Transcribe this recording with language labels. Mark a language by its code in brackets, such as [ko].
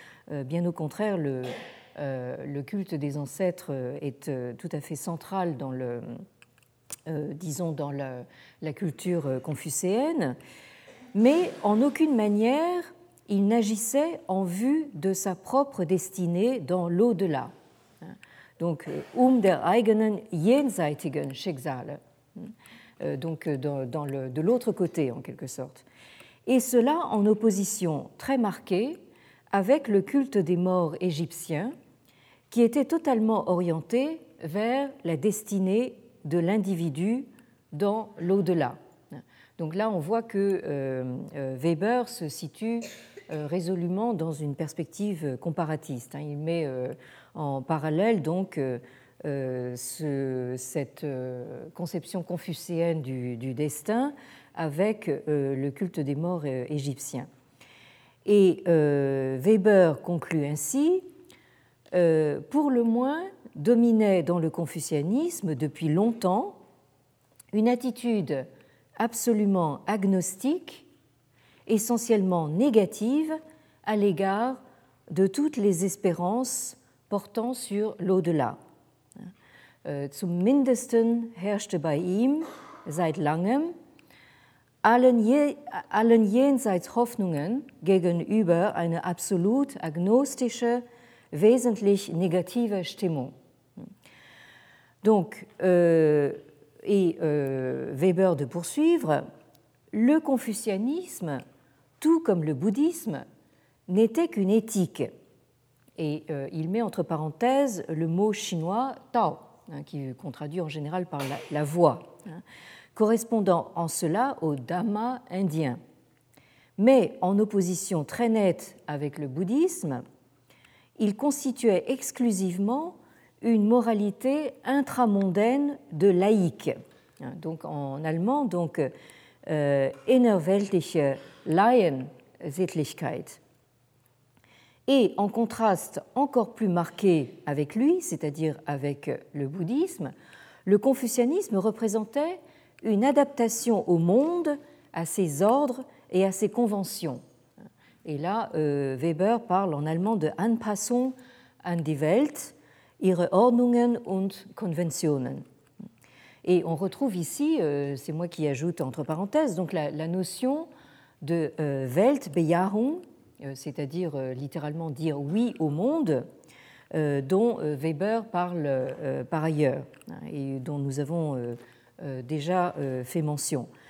[fr] Bien au contraire, le culte des ancêtres est tout à fait central dans le, disons, dans la culture confucéenne. Mais en aucune manière, il n'agissait en vue de sa propre destinée dans l'au-delà. Donc, [de] der eigenen jenseitigen Schicksal. [fr] Donc, de l'autre côté, en quelque sorte. Et cela en opposition très marquée avec le culte des morts égyptiens, qui était totalement orienté vers la destinée de l'individu dans l'au-delà. Donc là, on voit que Weber se situe résolument dans une perspective comparatiste. Il met en parallèle donc cette conception confucéenne du destin avec le culte des morts égyptiens. Et Weber conclut ainsi, pour le moins, dominait dans le confucianisme depuis longtemps une attitude absolument agnostique, essentiellement négative à l'égard de toutes les espérances portant sur l'au-delà. [de] Zumindest herrschte bei ihm seit langem allen Jenseitshoffnungen gegenüber eine absolut agnostische, wesentlich negative Stimmung. [fr] Donc, Weber de poursuivre, le confucianisme, tout comme le bouddhisme, n'était qu'une éthique. Et il met entre parenthèses le mot chinois Tao, qu'on traduit en général par la voie, correspondant en cela au Dhamma indien. Mais en opposition très nette avec le bouddhisme, il constituait exclusivement une moralité intramondaine de laïc. Donc en allemand, donc [de] innerweltliche Laien-Sittlichkeit. [fr] Et en contraste encore plus marqué avec lui, c'est-à-dire avec le bouddhisme, le confucianisme représentait une adaptation au monde, à ses ordres et à ses conventions. Et là, Weber parle en allemand de [de] Anpassung an die Welt, ihre Ordnungen und Konventionen. [fr] Et on retrouve ici, c'est moi qui ajoute entre parenthèses, donc la notion de Weltbejahung, c'est-à-dire littéralement dire oui au monde, dont Weber parle par ailleurs et dont nous avons déjà fait mention.